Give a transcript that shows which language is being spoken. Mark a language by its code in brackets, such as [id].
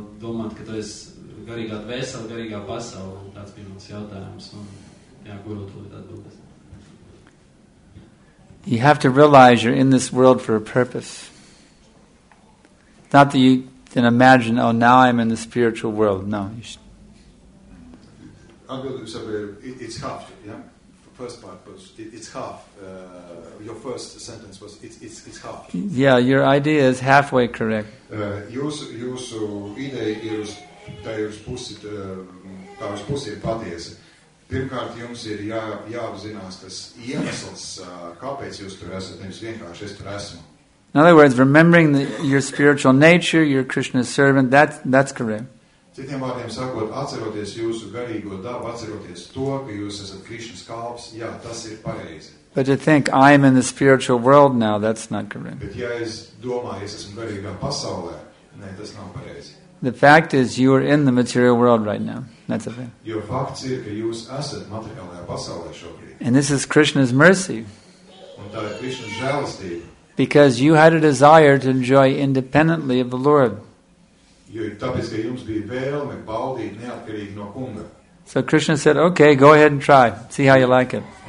[lv] Garīgā dvēsele, garīgā pasaule. Tāds bija mums jautājums. Jā, guru tūlīt atbildēs. [en] You have to realize you're in this world for a purpose. Not that you then imagine, oh, now I'm in the spiritual world. No, you should. It's half, yeah? First part was, it's half. Your first sentence was, it's half. Yeah, your idea is halfway correct. [lv] Jūsu ideja ir uz tajus pusi, tajus pusi patiesi. Pirmkārt, jums ir jāapzinās, tas iemesls, kāpēc jūs tur esat, nevis vienkārši es tur esmu. [en] In other words, remembering your spiritual nature, your Krishna servant, that's correct. [lv] Citiem vārdiem sakot, atceroties jūsu garīgo dabu, atceroties to, ka jūs esat Krišnas kalps, jā, tas ir pareizi. [en] But to think, I am in the spiritual world now, that's not correct. [lv] Bet ja es domāju, es esmu garīgā pasaulē, ne, tas nav pareizi. [en] The fact is, you are in the material world right now. That's a thing. [lv] Jo fakts ir, ka jūs esat materiālajā pasaulē šobrīd. [en] And this is Krishna's mercy. [lv] Un tā ir Krišnas žēlistība. [en] Because you had a desire to enjoy independently of the Lord. So Krishna said, okay, go ahead and try. See how you like it.